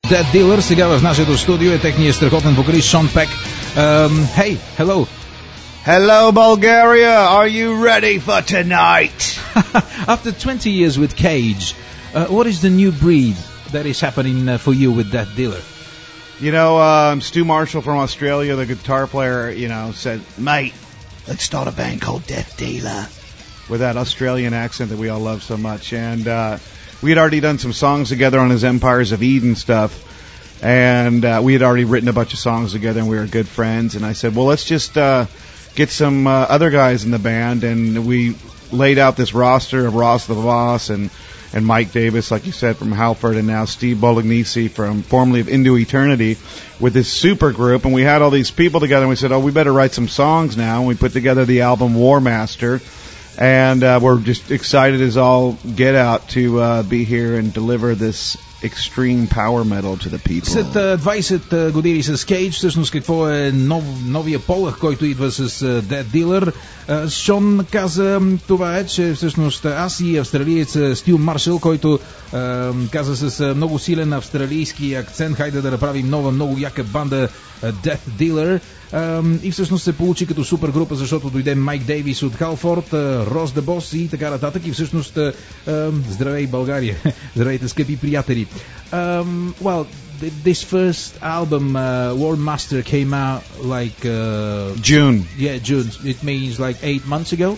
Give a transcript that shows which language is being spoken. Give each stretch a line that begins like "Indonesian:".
Bulgarian: Dead Dealer, сега в нашето студио е техният страхотен вокалист Шон Пек.
English: Hey, hello! Hello, Bulgaria! Are you ready for tonight? After 20 years with Cage, what is the new breed that is happening for you with Dead Dealer? You know, Stu Marshall from Australia, the guitar player, you know, said, mate, let's start a band called Death Dealer. With that Australian accent that we all love so much. And we had already done some songs together on his Empires of Eden stuff. And we had already written a bunch of songs together and we were good friends. And I said, well, let's just get some other guys in the band. And we laid out this roster of Ross the Voss and Mike Davis, like you said, from Halford, and now Steve Bolognese from formerly of Into Eternity with this super group. And we had all these people together, and we said, oh, we better write some songs now. And we put together the album War Master, and we're just excited as all get out to be here and deliver this extreme power metal to the people.
Bulgarian: След 20 години с Cage, всъщност какво е новия полъх, който идва с Dead Dealer? Шон каза това е, че всъщност аз и австралиец Стю Маршал, който каза с много силен австралийски акцент, хайде да направим нова, много яка банда Death Dealer. И всъщност се получи като супер група, защото дойде Майк Дейвис от Халфорд, Рос де Бос и така нататък. И всъщност, здравей България, здравейте скъпи приятели.
English: Well, this first album, War Master, came out like... June. Yeah, June. It means like 8 months ago.